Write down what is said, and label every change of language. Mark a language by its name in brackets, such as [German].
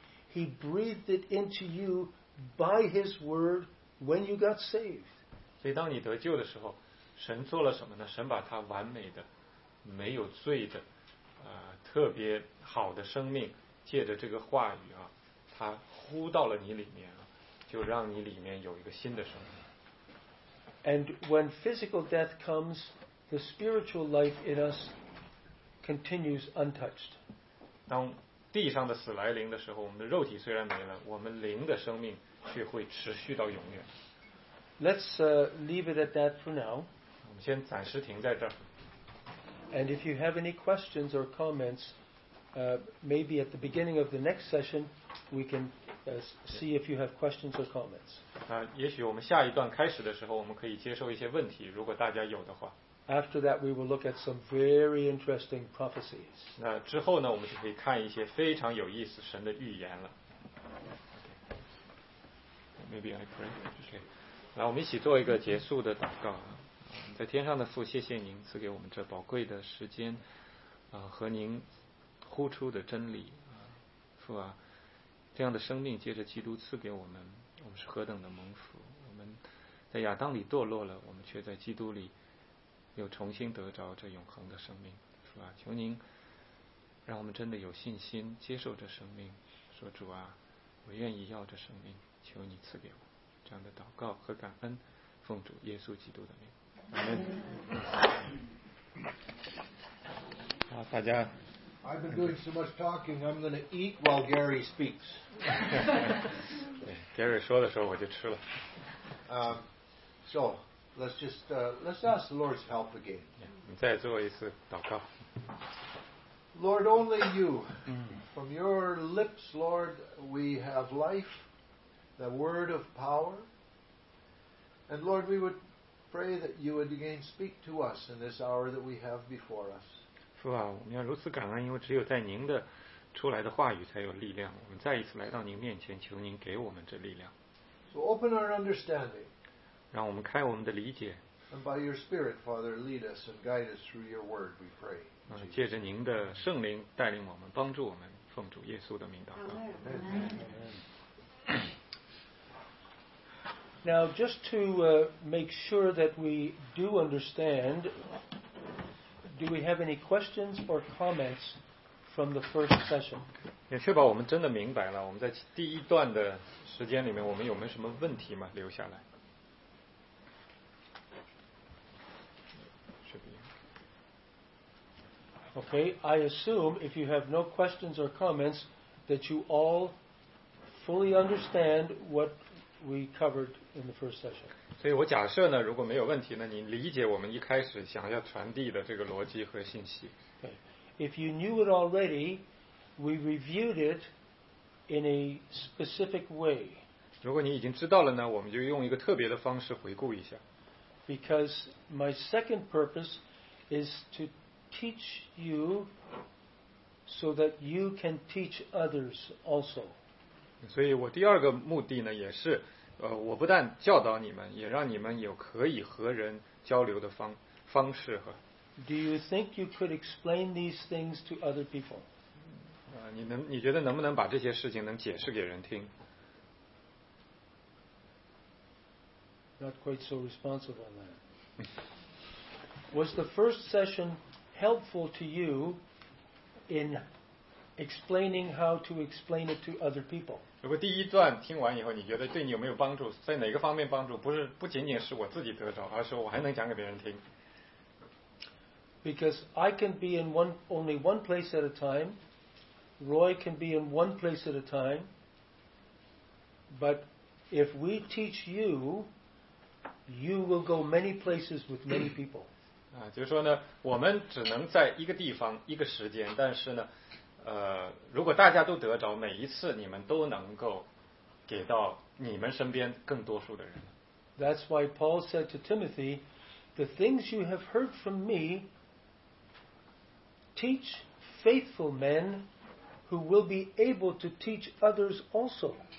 [English] He breathed it into you by His word when you got saved. [Chinese] 所以当你得救的时候，神做了什么呢？神把他完美的、没有罪的、特别好的生命借着这个话语啊，他呼到了你里面啊，就让你里面有一个新的生命。 [English] And when physical death comes, the spiritual life in us continues untouched. [Chinese] 当地上的死来临的时候，我们的肉体虽然没了，我们灵的生命却会持续到永远。 [English] Let's leave it at that for now. [Chinese] 我们先暂时停在这儿。 [English] And if you have any questions or comments,maybe at the beginning of the next session, we can see if you have questions or comments. [Chinese] 啊，也许我们下一段开始的时候，我们可以接受一些问题，如果大家有的话。 [English] After that, we will look at some very interesting prophecies. [Chinese] 那之后呢，我们就可以看一些非常有意思神的预言了。 [English] Okay. Maybe I pray. Okay. [Chinese] 来，我们一起做一个结束的祷告。在天上的父，谢谢您赐给我们这宝贵的时间，和您。呼出的真理，父啊，这样的生命借着基督赐给我们，我们是何等的蒙福！我们在亚当里堕落了，我们却在基督里又重新得着这永恒的生命，父啊，求您让我们真的有信心接受这生命，说主啊，我愿意要这生命，求你赐给我。这样的祷告和感恩，奉主耶稣基督的名，阿门。好，大家。 [English] I've been doing so much talking, I'm going to eat while Gary speaks. [Chinese] Gary 说的时候我就吃了。 [English] So, let's just, let's ask the Lord's help again. [Chinese] 你再做一次祷告。 [English] Lord, only you. From your lips, Lord, we have life, the word of power. And Lord, we would pray that you would again speak to us in this hour that we have before us. [Chinese] 父啊，我们要如此感恩，因为只有在您的出来的话语才有力量。我们再一次来到您面前，求您给我们这力量。 [English] So open our understanding. [Chinese] 让我们开我们的理解。 [English] And by your Spirit, Father, lead us and guide us through your Word. We pray. [Chinese] 借着您的圣灵带领我们，帮助我们，奉主耶稣的名祷告。 [English] Now, just to make sure that we do understand. Do we have any questions or comments from the first session? [Chinese] 也确保我们真的明白了，我们在第一段的时间里面，我们有没有什么问题吗？留下来。 [English] Okay, I assume if you have no questions or comments, that you all fully understand what we covered in the first session. [Chinese] 所以我假设呢，如果没有问题呢，你理解我们一开始想要传递的这个逻辑和信息。 [English] Okay. If you knew it already, we reviewed it in a specific way. [Chinese] 如果你已经知道了呢，我们就用一个特别的方式回顾一下。 [English] Because my second purpose is to teach you so that you can teach others also. [Chinese] 所以我第二个目的呢，也是。我不但教导你们，也让你们有可以和人交流的方式和。 [English] Do you think you could explain these things to other people? [Chinese] 你觉得能不能把这些事情能解释给人听？ [English] Not quite so responsive on that. Was the first session helpful to you in explaining how to explain it to other people? [Chinese] 如果第一段听完以后，你觉得对你有没有帮助？在哪个方面帮助？不仅仅是我自己得着，而是我还能讲给别人听。 [English] Because I can be in only one place at a time, Roy can be in one place at a time, but if we teach you, you will go many places with many people. [Chinese] 就是说呢，我们只能在一个地方，一个时间，但是呢，如果大家都得着，每一次你们都能够给到你们身边更多数的人。 [English] That's why Paul said to Timothy, the things you have heard from me, teach faithful men who will be able to teach others also.